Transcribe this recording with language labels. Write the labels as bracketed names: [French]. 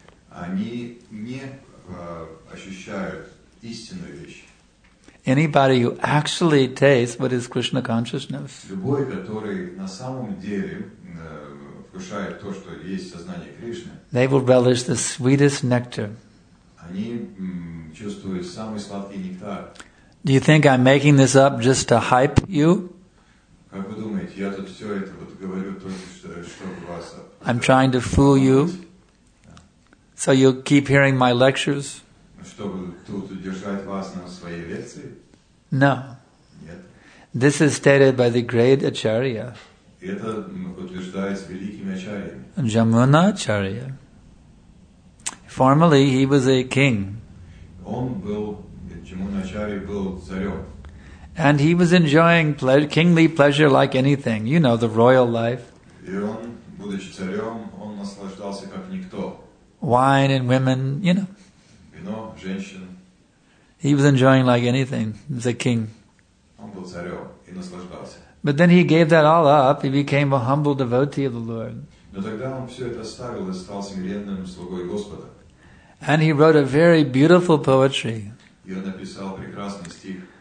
[Russian] Они не ощущают истинную вещь. [English] Anybody who actually tastes what is Krishna consciousness. [Russian] Любой, который на самом деле вкушает то, что есть сознание Кришны. [English] They will relish the sweetest nectar. [Russian] Они чувствуют самый сладкий нектар. [English] Do you think I'm making this up just to hype you? [Russian] Как вы думаете, я тут все это вот говорю только чтобы вас. [English] I'm trying to fool you. So you'll keep hearing my lectures? No. [Russian] Нет. [English] This is stated by the great Acharya. [Russian] Это подтверждается великими Ачарьями. [English] Джамуна Ачарья. Formerly he was a king. [Russian] Он был, Джамуна Ачарья был царем. [English] And he was enjoying kingly pleasure like anything. You know, the royal life. [Russian] И он, будучи царем, он наслаждался как никто. [English] Wine and women, you know. You know, [Russian] женщин. [English] He was enjoying like anything as a king. [Russian] Он был царем и наслаждался. [English] But then he gave that all up. He became a humble devotee of the Lord. [Russian] Но тогда он все это оставил и стал смиренным слугой Господа. [English] And he wrote a very beautiful poetry. [Russian] И он написал прекрасный стих.